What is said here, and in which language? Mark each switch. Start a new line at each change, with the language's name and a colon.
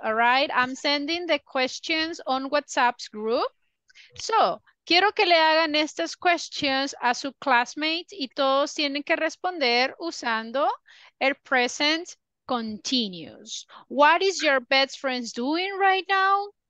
English: All right, I'm sending the questions on WhatsApp's group.
Spanish: So, quiero que le hagan estas questions a su classmate y todos tienen que responder usando el present continuous.
English: What is your best friend doing right now?